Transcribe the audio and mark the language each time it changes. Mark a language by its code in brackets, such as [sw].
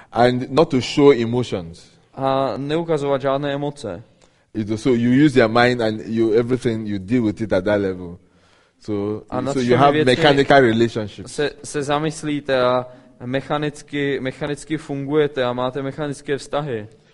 [en] And not to show emotions. [cs] A neukazovat žádné emoce. [en] So you use your mind and you everything you deal with it at that level. So you have mechanical relationships. [cs] Se zamyslíte a mechanicky fungujete a máte mechanické vztahy.